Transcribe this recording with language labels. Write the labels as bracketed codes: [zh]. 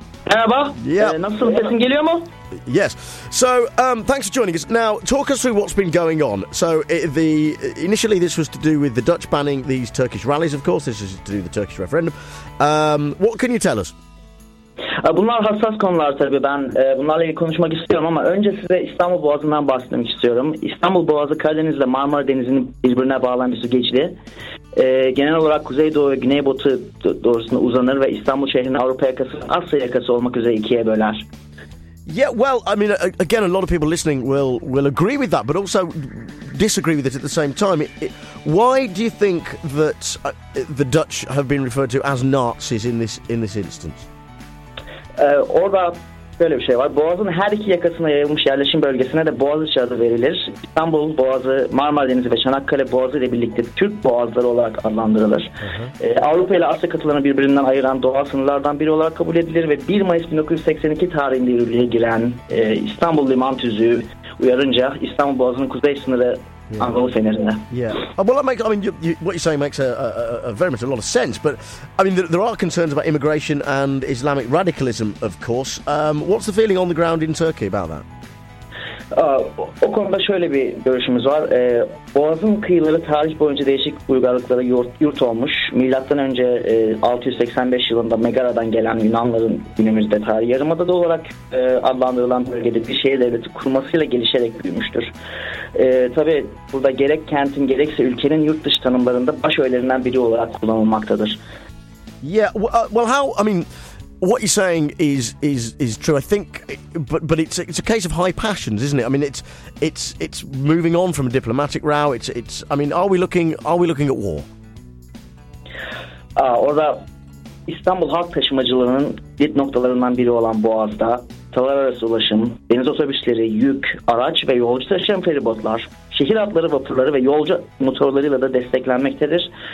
[tr] Merhaba. [en] Yeah. [tr] Nasıl sesin geliyor mu? [en] Yes. So, thanks for joining us. Now, talk us through what's been going on. So, initially this was to do with the Dutch banning these Turkish rallies, of course. This is to do with the Turkish referendum. What can you tell us? [tr] Bunlar hassas konular tabii. Ben bunlarla ilgili konuşmak istiyorum ama önce size İstanbul Boğazı'ndan bahsetmek istiyorum. İstanbul Boğazı Karadeniz'le Marmara Denizi'nin birbirine bağlayan bir süzgeçli. Genel olarak Kuzeydoğu ve Güneybatı doğrusuna uzanır ve İstanbul şehrini Avrupa yakası, Asya yakası olmak üzere ikiye böler. [en] Yeah, well, I mean, again, a lot of people listening will agree with that, but also disagree with it at the same time. Why do you think that the Dutch have been referred to as Nazis in this instance? [tr] Orada böyle bir şey var. Boğazın her iki yakasına yayılmış yerleşim bölgesine de Boğaziçi adı verilir. İstanbul Boğazı, Marmara Denizi ve Çanakkale Boğazı ile birlikte Türk Boğazları olarak adlandırılır. Avrupa ile Asya kıtalarını birbirinden ayıran doğal sınırlardan biri olarak kabul edilir ve 1 Mayıs 1982 tarihinde yürürlüğe giren İstanbul Liman Tüzüğü uyarınca İstanbul Boğazı'nın kuzey sınırı [en] Yeah. Yeah. Well, what you're saying makes a lot of sense. But I mean, there are concerns about immigration and Islamic radicalism, of course. What's the feeling on the ground in Turkey about that? [tr] O konuda şöyle bir görüşümüz var. Boğaz'ın kıyıları tarih boyunca değişik uygarlıklara yurt olmuş. Milattan önce 685 yılında Megara'dan gelen Yunanların günümüzde tarih yarımadada olarak adlandırılan bölgede bir şehir devleti kurmasıyla gelişerek büyümüştür. Tabii burada gerek kentin gerekse ülkenin yurt dışı tanımlarında baş öğelerinden biri olarak kullanılmaktadır. [en] What you're saying is true, I think, but it's a case of high passions, isn't it? I mean, it's moving on from a diplomatic row. Are we looking at war? [tr] Orada İstanbul halk taşımacılığının dip noktalarından biri olan Boğaz'da tavar arası ulaşım, deniz otobüsleri, yük, araç ve yolcu taşıyan feribotlar, şehir hatları, vapurları ve yolcu motorlarıyla da desteklenmektedir.